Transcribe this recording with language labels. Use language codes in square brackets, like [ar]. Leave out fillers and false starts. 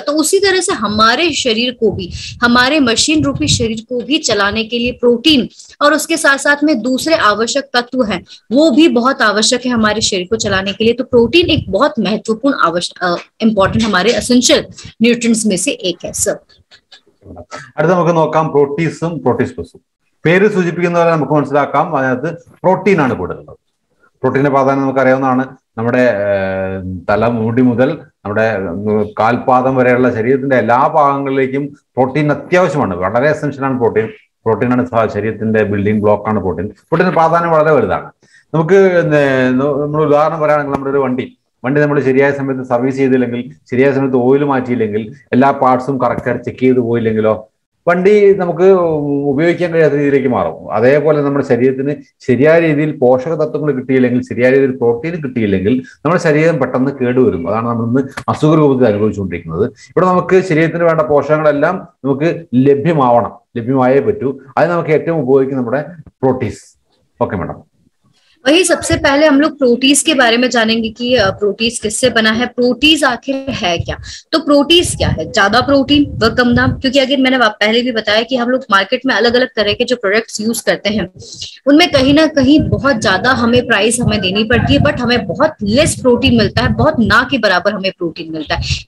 [hi] तो उसी तरह से हमारे शरीर को भी, हमारे मशीन रूपी शरीर को भी चलाने के लिए प्रोटीन और उसके साथ साथ में दूसरे आवश्यक तत्व हैं, वो भी बहुत आवश्यक है हमारे शरीर को चलाने के लिए। तो प्रोटीन एक बहुत महत्वपूर्ण इंपॉर्टेंट हमारे एसेंशियल न्यूट्रिएंट्स में से एक है सर। [ml] पेर सूचिपिक्कुन्न पोले नमुक्क मनसिलाक्कां अतिनकत्त प्रोटीन आण कूडुतल्। പ്രോട്ടീൻ്റെ പ്രാധാന്യം നമുക്കറിയാവുന്നതാണ്. നമ്മുടെ തലമുടി മുതൽ നമ്മുടെ കാൽപാദം വരെയുള്ള ശരീരത്തിൻ്റെ എല്ലാ ഭാഗങ്ങളിലേക്കും പ്രോട്ടീൻ അത്യാവശ്യമാണ്, വളരെ എസെൻഷ്യലാണ് പ്രോട്ടീൻ. പ്രോട്ടീനാണ് ശരീരത്തിൻ്റെ ബിൽഡിംഗ് ബ്ലോക്കാണ് പ്രോട്ടീൻ. പ്രോട്ടീൻ്റെ പ്രാധാന്യം വളരെ വലുതാണ്. നമുക്ക് നമ്മൾ ഉദാഹരണം പറയുകയാണെങ്കിൽ നമ്മുടെ ഒരു വണ്ടി വണ്ടി നമ്മൾ ശരിയായ സമയത്ത് സർവീസ് ചെയ്തില്ലെങ്കിൽ, ശരിയായ സമയത്ത് ഓയിൽ മാറ്റിയില്ലെങ്കിൽ, എല്ലാ പാർട്സും കറക്റ്റ് ചെക്ക് ചെയ്ത് പോയില്ലെങ്കിലോ വണ്ടി നമുക്ക് ഉപയോഗിക്കാൻ കഴിയാത്ത രീതിയിലേക്ക് മാറും. അതേപോലെ നമ്മുടെ ശരീരത്തിന് ശരിയായ രീതിയിൽ പോഷകതത്വങ്ങൾ കിട്ടിയില്ലെങ്കിൽ, ശരിയായ രീതിയിൽ പ്രോട്ടീൻ കിട്ടിയില്ലെങ്കിൽ നമ്മുടെ ശരീരം പെട്ടെന്ന് കേടുവരും. അതാണ് നമ്മൾ ഇന്ന് അസുഖ രൂപത്തിൽ അനുഭവിച്ചുകൊണ്ടിരിക്കുന്നത്. ഇവിടെ നമുക്ക് ശരീരത്തിന് വേണ്ട പോഷകങ്ങളെല്ലാം നമുക്ക് ലഭ്യമാവണം, ലഭ്യമായേ പറ്റൂ. അത് നമുക്ക് ഏറ്റവും ഉപയോഗിക്കുന്ന നമ്മുടെ പ്രോട്ടീൻസ്. Okay madam. [hi] वही सबसे पहले हम लोग प्रोटीज के बारे में जानेंगे कि प्रोटीज किससे बना है, प्रोटीज आखिर है क्या. तो प्रोटीज क्या है, ज्यादा प्रोटीन व कम दाम. क्योंकि अगर मैंने पहले भी बताया कि हम लोग मार्केट में अलग अलग तरह के जो प्रोडक्ट्स यूज करते हैं उनमें कहीं ना कहीं बहुत ज्यादा हमें प्राइस हमें देनी पड़ती है, बट हमें बहुत लेस प्रोटीन मिलता है, बहुत ना के बराबर हमें प्रोटीन मिलता है.